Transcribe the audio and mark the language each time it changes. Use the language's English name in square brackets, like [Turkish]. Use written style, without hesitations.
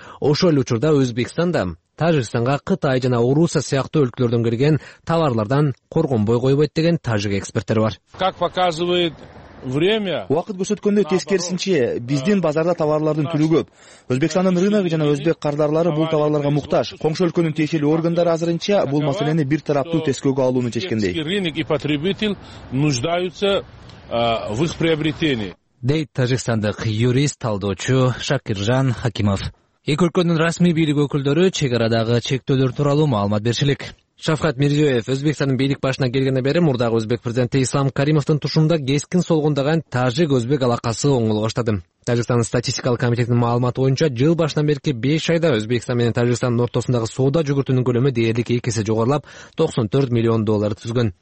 [Kyrgyz] Ошол эле учурда Өзбекстан да Тажикстанга Кытай жана Орусия сыяктуу өлкөлөрдөн кирген товарлардан коргонбой койбойт деген тажик эксперттер бар. [Russian] Как показывает время. [Kyrgyz] Убакыт көрсөткөндө тескерисинче, биздин базарда товарлардын түрү көп. Өзбекстандын рыногу жана өзбек кардарлары бул товарларга муктаж. Коңшу өлкөнүн тиешелүү органдары азырынча бул маселени бир тараптуу тескөөгө алууну чечкендей. [Russian] Рынок и потребитель нуждаются в их приобретении. [Kyrgyz] Дейт тажикстандык юрист талдоочу Шакиржан Хакимов. Эки өлкөнүн расмий бийлик өкүлдөрү чек арадагы чектөөлөр тууралуу маалымат беришилик. Шавкат Мирзиёев Өзбекстандын бийлик башына келгенден бери мурдагы өзбек президенти Ислам Каримовдун тушунда кескин солгундаган тажик өзбек алакасы оңоло баштады. Тажикстандын статистикалык комитетинин маалыматы боюнча жыл башынан берки 5 айда Өзбекстан менен Тажикстандын ортосундагы соода жүгүртүүнүн көлөмү дээрлик 2 эсе жогорулап 94 миллион долларды түзгөн.